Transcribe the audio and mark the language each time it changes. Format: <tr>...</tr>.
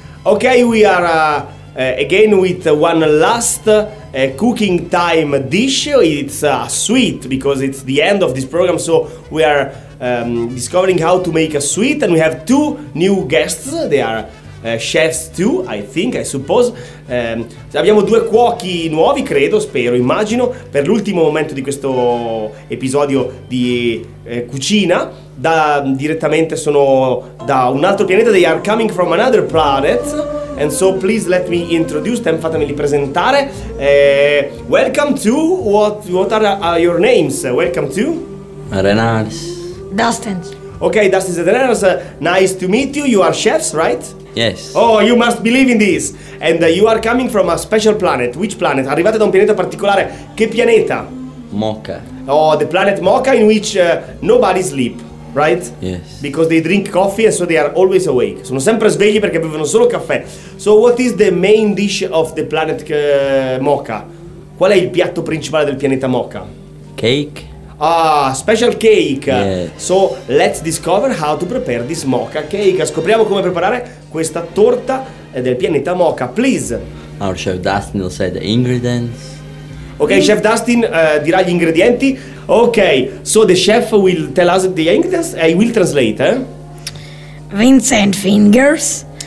<en>Ok, we are again with one last cooking time dish. It's sweet because it's the end of this program, so we are discovering how to make a sweet, and we have 2 new guests. They are chefs too, I think, I suppose.</en> <it>Abbiamo 2 cuochi nuovi, credo, spero, immagino, per l'ultimo momento di questo episodio di cucina. Direttamente sono da un altro pianeta.</it> <en>They are coming from another planet. And so please let me introduce them.</en> <it>Fatemeli presentare.</it> <en>Welcome to what are your names? Welcome to Renars. Dustin. Okay, Dustin and Renars, nice to meet you. You are chefs, right? Yes. Oh, you must believe in this. And you are coming from a special planet. Which planet?</en> <it>Arrivate da un pianeta particolare. Che pianeta?</it> <en>Mocha. Oh, the planet Mocha, in which nobody sleep. Right? Yes. Because they drink coffee and so they are always awake.</en> <it>Sono sempre svegli perché bevono solo caffè.</it> <en>So what is the main dish of the planet Mocha?</en> <it>Qual è il piatto principale del pianeta Mocha?</it> <en>Cake. Ah, special cake. Yes. So let's discover how to prepare this Mocha cake.</en> <it>Scopriamo come preparare questa torta del pianeta Mocha.</it> <en>Please. Our chef Dustin will say the ingredients. Ok,</en> <it>chef Dustin dirà gli ingredienti.</it> <en>Ok, so the chef will tell us the ingredients. I will translate, Vincent Fingers.</en>